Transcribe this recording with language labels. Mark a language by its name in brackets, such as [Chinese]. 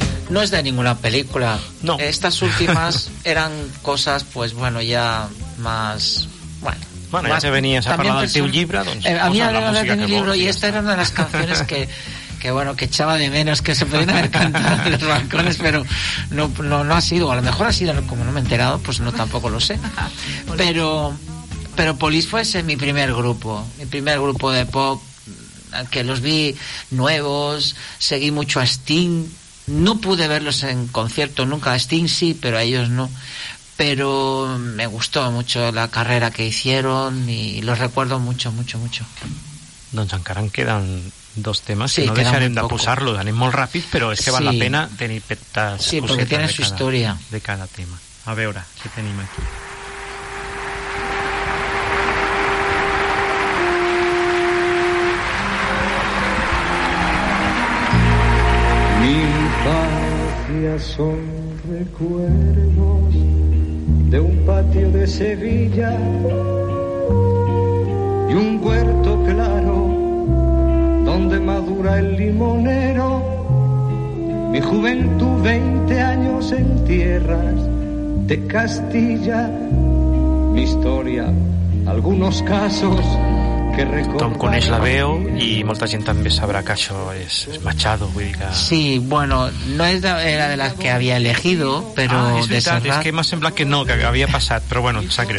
[Spanish] No es de ninguna película. No. Estas últimas eran cosas, pues bueno, ya más... Bueno, ya se venía a hablar [Catalan] del teu llibre, doncs, a mi agrada de tenir el llibre, i esta era una de les [Spanish] canciones que bueno, que echaba de menos, que se podían haber cantado en los balcones, pero no ha sido, a lo mejor ha sido, como no me he enterado, pues no, tampoco lo sé. Pero Police fue ese mi primer grupo de pop, que los vi nuevos, seguí mucho a Sting, no pude verlos en concierto nunca, a Sting sí, pero a ellos no. Pero me gustó mucho la carrera que hicieron y los recuerdo mucho, mucho, mucho. [Catalan] Doncs encara en queden dos temes, sí, que no deixarem de posar-los. Anem molt ràpid, però és que val la pena tenir petites cosetes. Sí, perquè tenen su història. De cada tema. A veure, què tenim aquí. [Spanish] Mi infancia son recuerdos de un patio de Sevilla y un huerto claro donde madura el limonero, mi juventud 20 años en tierras de Castilla, mi historia, algunos casos que recordo. [Catalan] Tom coneix la veu i molta gent també sabrà que això és Machado, vull dir que... Sí, bueno, no és era de les que havia elegit, però... Ah, és veritat, és que m'ha semblat que no, que havia passat, però bueno, s'ha creu.